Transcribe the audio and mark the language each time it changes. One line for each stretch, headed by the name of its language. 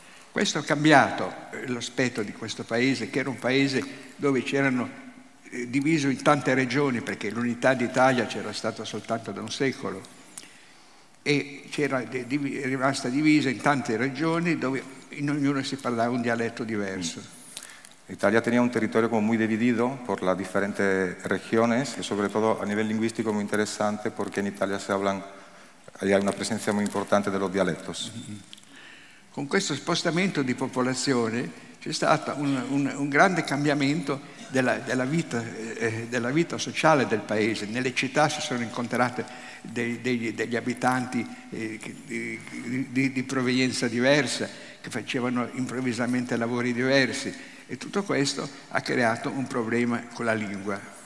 Italian: Questo ha cambiato l'aspetto di questo paese, che era un paese dove c'erano diviso in tante regioni, perché l'unità d'Italia c'era stata soltanto da un secolo, e c'era rimasta divisa in tante regioni dove in ognuno si parlava un dialetto diverso.
Spanish: L'Italia tenía un territorio como muy dividido por las diferentes regiones, y sobre todo a nivel lingüístico muy interesante, porque en Italia se hablan, hay una presencia muy importante de los dialectos.
Italian: Con questo spostamento di popolazione c'è stato un grande cambiamento della vita sociale del paese. Nelle città si sono incontrate degli abitanti di provenienza diversa, che facevano improvvisamente lavori diversi, e tutto questo ha creato un problema con la lingua.